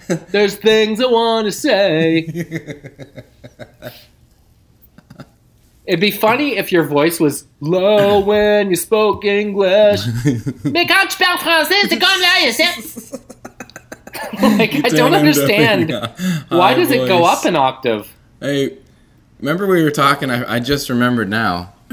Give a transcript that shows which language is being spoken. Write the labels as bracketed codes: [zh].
[en] There's things I want to say. It'd be funny if your voice was low when you spoke English. [fr] Mais quand tu parles français, c'est comme là, c'est... [en] Like, I don't understand. Why does it go up an octave? Hey, remember we were talking, I just remembered now.